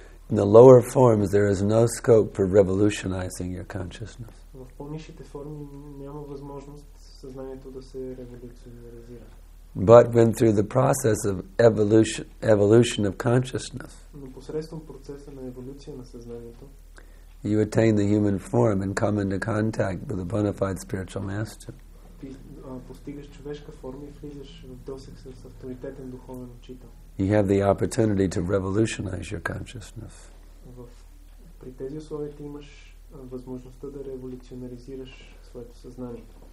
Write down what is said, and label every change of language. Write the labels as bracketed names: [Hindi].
[English] In the lower forms, there is no scope for revolutionizing your consciousness. [Bulgarian] В по-нишите форми няма възможност съзнанието да се революционализира. [English] But when through the process of evolution of consciousness, [Bulgarian] но посредством процеса на еволюция на съзнанието, [English] you attain the human form and come into contact with a bona fide spiritual master. [Bulgarian] Ти постигаш човешка форма и влизаш в досег с авторитетен духовен учител. [English] You have the opportunity to revolutionize your consciousness. [Bulgarian] При тези условия ти имаш възможността да революционализираш своето съзнание.